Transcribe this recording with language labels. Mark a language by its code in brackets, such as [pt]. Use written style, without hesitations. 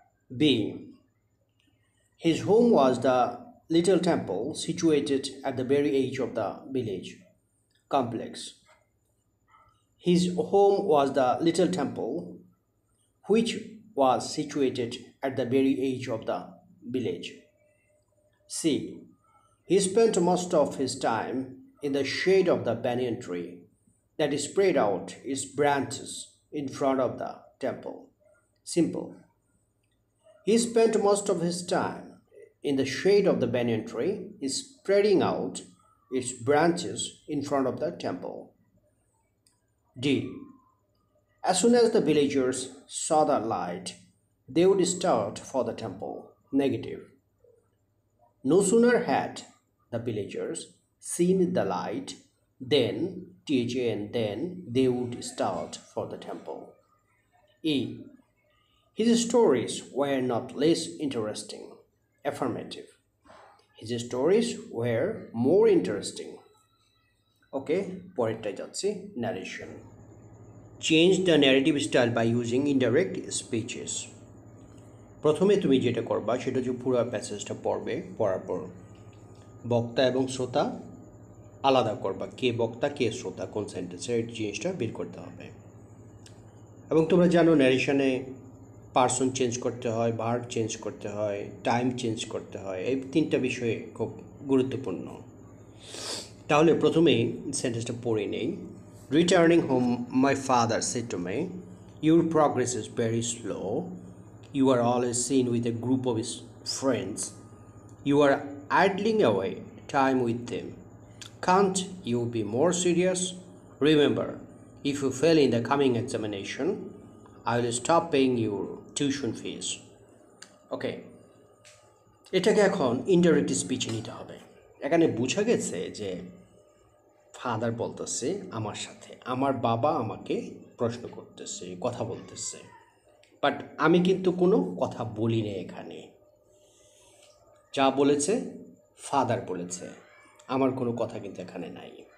[en] B, his home was the little temple situated at the very edge of the village complex, his home was the little temple which was situated at the very edge of the village. C. He spent most of his time in the shade of the banyan tree that spread out its branches in front of the temple. Simple. He spent most of his time in the shade of the banyan tree is spreading out its branches in front of the temple. D. As soon as the villagers saw the light, they would start for the temple. Negative. No sooner had the villagers seen the light, then, THAN, then, they would start for the temple. E. His stories were not less interesting. Affirmative. His stories were more interesting. [bn] Okay, পরেরটা যাচ্ছি, narration. [en] Change the narrative style by using indirect speeches. [bn] প্রথমে তুমি যেটা করবা সেটা হচ্ছে পুরো প্যাসেজটা পড়বে, পড়ার পর বক্তা এবং শ্রোতা আলাদা করবা, কে বক্তা কে শ্রোতা, কোন সেন্টেন্সের জিনিসটা বের করতে হবে। এবং তোমরা জানো ন্যারেশনে পার্সন চেঞ্জ করতে হয়, ভার্ব চেঞ্জ করতে হয়, টাইম চেঞ্জ করতে হয়, এই তিনটা বিষয়ে খুব গুরুত্বপূর্ণ। তাহলে প্রথমে সেন্টেন্সটা পড়ে নেই। [en] Returning home, my father said to me, "Your progress is very slow. You are always seen with a group of his friends. You are idling away time with them. Can't you be more serious? Remember, if you fail in the coming examination, I will stop paying your tuition fees." Okay. [bn] এটাকে এখন indirect speech নিতে হবে। এখানে বুঝা গেছে যে father বলতেছে আমার সাথে, আমার বাবা আমাকে প্রশ্ন করতেছে, কথা বলতেছে, বাট আমি কিন্তু কোনো কথা বলি না এখানে, যা বলেছে ফাদার বলেছে, আমার কোনো কথা কিন্তু এখানে নাই।